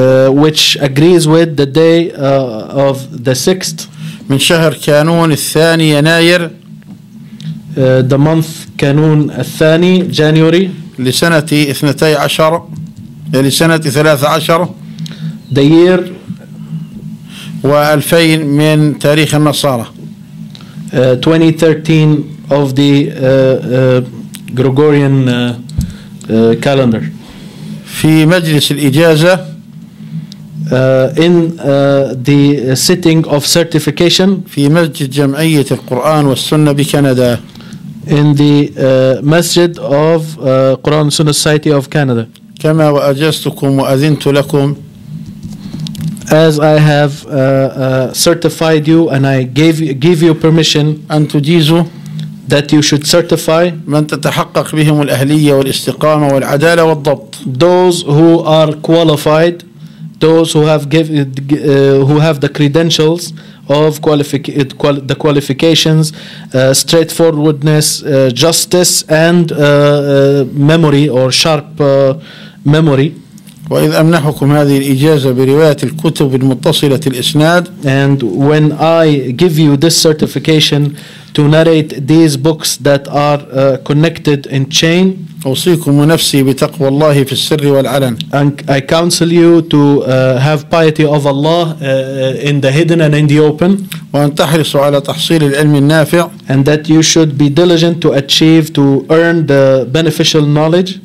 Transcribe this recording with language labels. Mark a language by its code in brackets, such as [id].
[en] Which agrees with the day of the 6th. [ar] من شهر كانون الثاني يناير. [en] The month كانون الثاني January. [ar] لسنة 12 لسنة 13 [en] the year [ar] و2000 من تاريخ النصارى [en] 2013 of the Gregorian calendar [ar] في مجلس الإجازة [en] in the sitting of certification [ar] في مسجد جمعية القرآن والسنة بكندا [en] in the masjid of Quran Sunnah Society of Canada [ar] كما وأجزتكم وأذنت لكم [en] as I have certified you and I give you permission [ar] أن تجيزوا [en] that you should certify [ar] من تتحقق بهم الأهلية والاستقامة والعدالة والضبط [en] those who are qualified those who have who have the credentials of the qualifications straightforwardness justice and memory or sharp memory [ar] وإذ أمنحكم هذه الإجازة برواية الكتب المتصلة الإسناد [en] and when I give you this certification to narrate these books that are connected in chain [ar] أوصيكم ونفسي بتقوى الله في السر والعلن [en] and I counsel you to have piety of Allah in the hidden and in the open [ar] وأن تحرصوا على تحصيل العلم النافع [en] and that you should be diligent to achieve to earn the beneficial knowledge